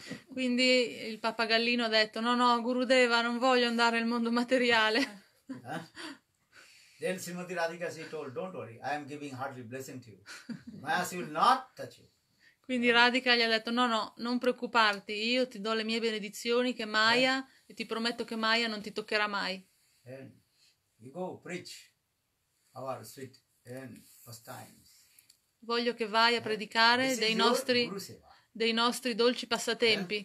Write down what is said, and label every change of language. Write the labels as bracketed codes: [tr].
[it] Quindi il pappagallino ha detto: No, Gurudeva, non voglio andare nel mondo materiale. [en] Then Srimati Radhika si told: Don't worry, I am giving hardly blessing to you. Maya will not touch you. [it] Quindi Radhika gli ha detto: no, non preoccuparti, io ti do le mie benedizioni che Maya, e ti prometto che Maya non ti toccherà mai. [en] And you go preach our sweet and pastimes. [it] Voglio che vai a predicare dei nostri dolci passatempi.